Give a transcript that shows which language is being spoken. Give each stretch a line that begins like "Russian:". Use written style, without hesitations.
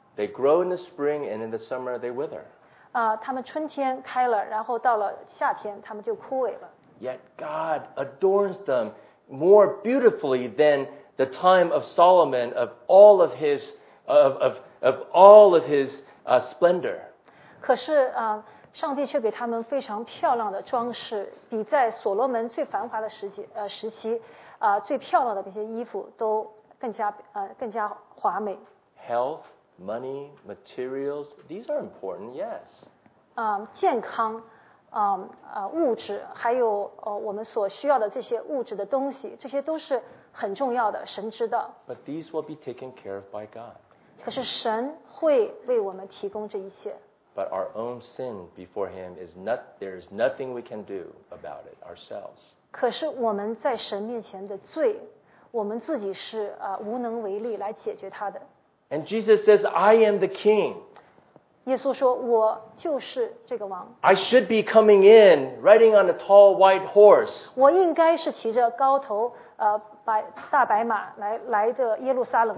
English: They grow in the spring and in the summer they wither.
Chinese: 他们春天开了，然后到了夏天，他们就枯萎了。
English: yet God adorns them more beautifully than the time of Solomon of all of his splendor.
Chinese: 可是, 上帝却给他们非常漂亮的装饰, 比在所罗门最繁华的时期, 最漂亮的那些衣服都更加, 更加华美。
English: Health, money, materials, these are important, yes.
Chinese: 健康, 物质, 还有, 我们所需要的这些物质的东西, 这些都是很重要的, 神知道。
English: But these will be taken care of by God.
Chinese: 可是神会为我们提供这一切。
English: But our own sin before Him is not, there is nothing we can do about it ourselves.
Chinese: 可是我们在神面前的罪, 我们自己是, 无能为力来解决他的。
English: And Jesus says, I am the king.
Chinese: 耶稣说, 我就是这个王。
English: I should be coming in, riding on a tall white horse.
Chinese: 我应该是骑着高头, 大白马来的耶路撒冷。